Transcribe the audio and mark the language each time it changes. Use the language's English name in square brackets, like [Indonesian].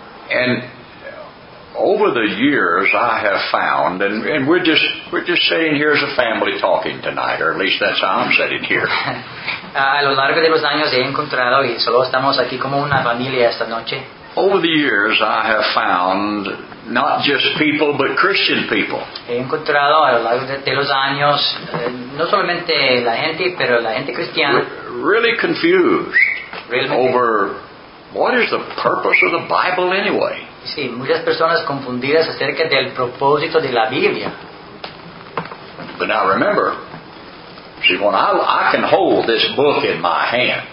[English] And over the years, I have found, and we're just sitting here as a family talking tonight, or at least that's how I'm sitting here. [Spanish] A lo largo de los años he encontrado, y solo estamos aquí como una familia esta noche. [English] Over the years, I have found not just people, but Christian people. [Spanish] He encontrado a lo largo de los años no solamente la gente, pero la gente cristiana. [English] Really confused. [Spanish] Realmente. [English] Over what is the purpose of the Bible anyway? [Spanish] Sí, muchas personas confundidas acerca del propósito de la Biblia. [English] But now remember, see, when I can hold this book in my hand.